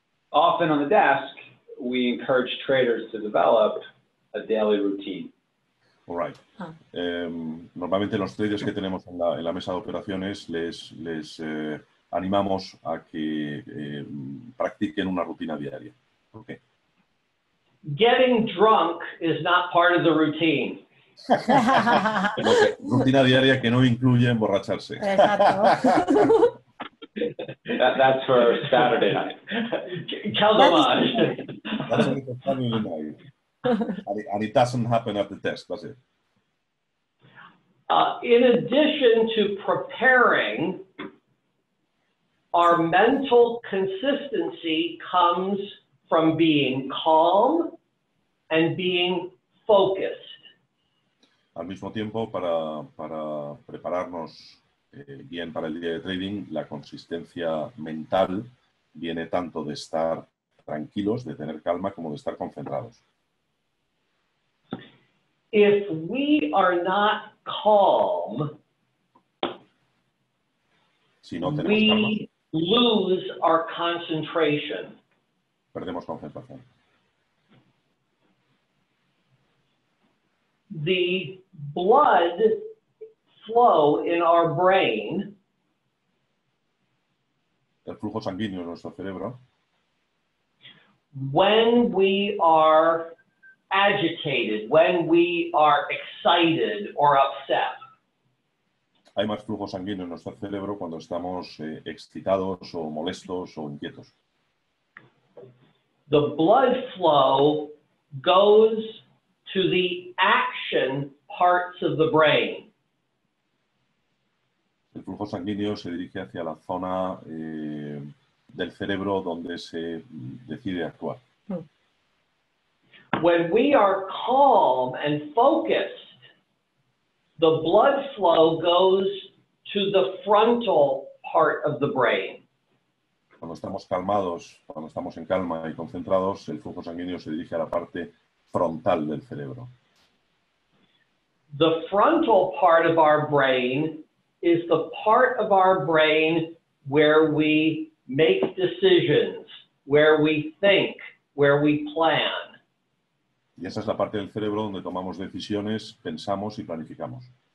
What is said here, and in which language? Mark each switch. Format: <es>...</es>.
<en>Often on the desk, we encourage traders to develop a daily routine. All right.</en> <es>Normalmente los traders que tenemos en la mesa de operaciones les animamos a que practiquen una rutina diaria.</es> <en>Okay. Getting drunk is not part of the routine.</en> <es>Rutina diaria que no incluye emborracharse. Exacto.</es> <en>That's for Saturday night. Tell them on. That's only for Saturday night. And it doesn't happen at the desk, does it? In addition to preparing, our mental consistency comes from being calm and being focused.</en> <es>Al mismo tiempo, para prepararnos bien para el día de trading, la consistencia mental viene tanto de estar tranquilos, de tener calma, como de estar concentrados.</es> <en>If we are not calm,</en> <es>si no tenemos</es> <en>we</en> <es>calma,</es> <en>lose our concentration.</en> <es>Perdemos concentración.</es> <en>The blood flow in our brain,</en> <es>el flujo sanguíneo en nuestro cerebro,</es> <en>when we are agitated, when we are excited or upset.</en> <es>Hay más flujo sanguíneo en nuestro cerebro cuando estamos excitados o molestos o inquietos.</es> <en>The blood flow goes to the action parts of the brain.</en> <es>El flujo sanguíneo se dirige hacia la zona del cerebro donde se decide actuar.</es> <en>When we are calm and focused, the blood flow goes to the frontal part of the brain.</en> <es>Cuando estamos calmados, cuando estamos en calma y concentrados, el flujo sanguíneo se dirige a la parte frontal del cerebro.</es> <en>The frontal part of our brain is the part of our brain where we make decisions, where we think, where we plan.</en> <es>Y esa es la parte del cerebro donde tomamos decisiones, pensamos y planificamos.</es>